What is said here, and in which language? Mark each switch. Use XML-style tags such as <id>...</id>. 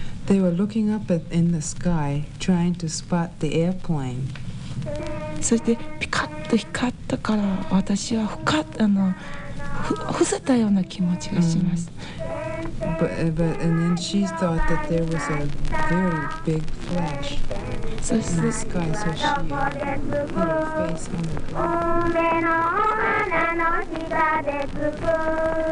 <en>They were looking up at, in the sky, trying to spot the airplane.</en> <ja>そしてピカッと光ったから私はふかっ、伏せたような気持ちがします。</ja> <en>But and then she thought that there was a very big flash so in the sky, so she hid her face on the ground.</en>